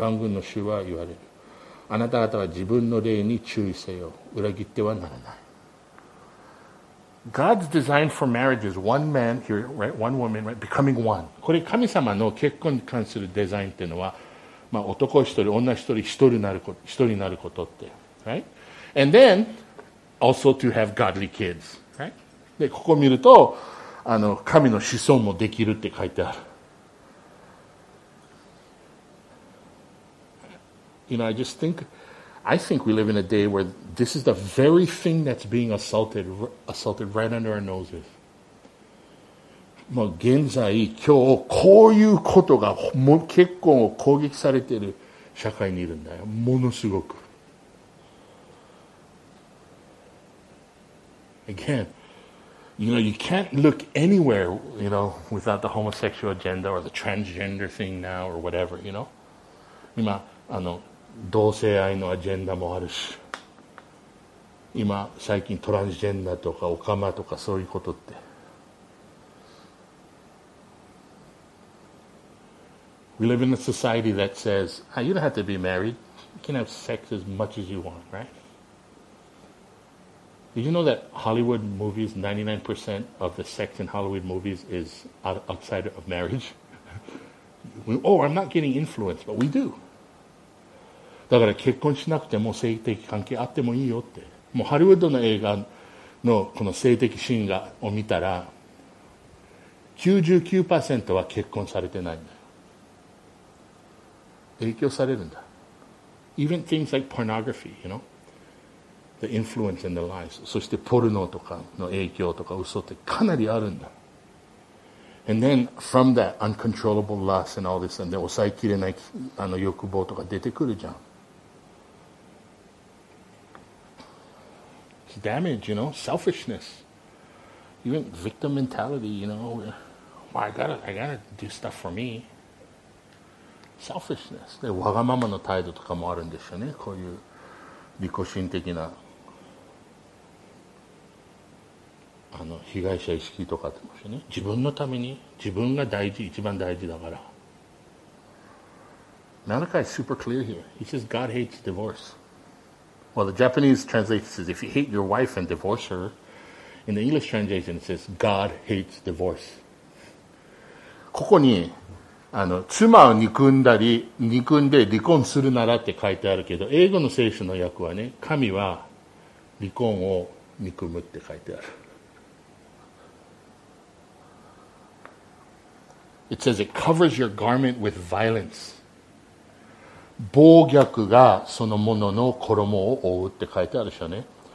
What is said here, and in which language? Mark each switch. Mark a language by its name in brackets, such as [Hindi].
[Japanese] 万軍の主は言われる。あなた方は自分の霊に注意せよ。裏切ってはならない。 [English] God's design for marriage is one man here, right? One woman, right? Becoming one. [Japanese] これ神様の結婚に関するデザインっていうのは、まあ男一人、女一人、一人になること、一人になることって、right? [English] And then, also to have godly kids, right? [Japanese] で、ここを見ると、神の子孫もできるって書いてある。 [English] You know, I think we live in a day where this is the very thing that's being assaulted right under our noses. [Japanese] もう現在、今日、こういうことが結婚を攻撃されている社会にいるんだよ。ものすごく。 [English] Again, you know, you can't look anywhere, you know, without the homosexual agenda or the transgender thing now or whatever, you know? [Japanese] 今、同性愛のアジェンダもあるし、今最近トランスジェンダーとかオカマとかそういうことって、 [English] We live in a society that says, hey, you don't have to be married, you can have sex as much as you want, right? Did you know that Hollywood movies, 99% of the sex in Hollywood movies is outside of marriage? Oh, I'm not getting influenced, but we do. [Japanese] だから結婚しなくても性的関係あってもいいよって。もうハリウッドの映画のこの性的シーンを見たら 99% は結婚されてないんだよ。影響されるんだ。 [English] Even things like pornography, you know? The influence and the lies. [Japanese] そしてポルノとかの影響とか嘘ってかなりあるんだ。 [English] And then from that uncontrollable lust and all this, and then [Japanese] 抑えきれない欲望とか出てくるじゃん。 [English] Damage, you know, selfishness, even victim mentality, you know, well, I gotta do stuff for me. Selfishness. [Japanese] で、わがままの態度とかもあるんでしょうね。こういう利己心的な被害者意識とかってもしね、自分のために自分が大事、一番大事だから。 [English] Malachi is super clear here. He says God hates divorce. Well, the Japanese translation says, if you hate your wife and divorce her, in the English translation it says, God hates divorce. [Japanese] ここに、妻を憎んで離婚するならって書いてあるけど、英語の聖書の訳はね、神は離婚を憎むって書いてある。 [English] It says, it covers your garment with violence. [Japanese] 暴虐がそのものの衣を覆うって書いてあるでしょうね。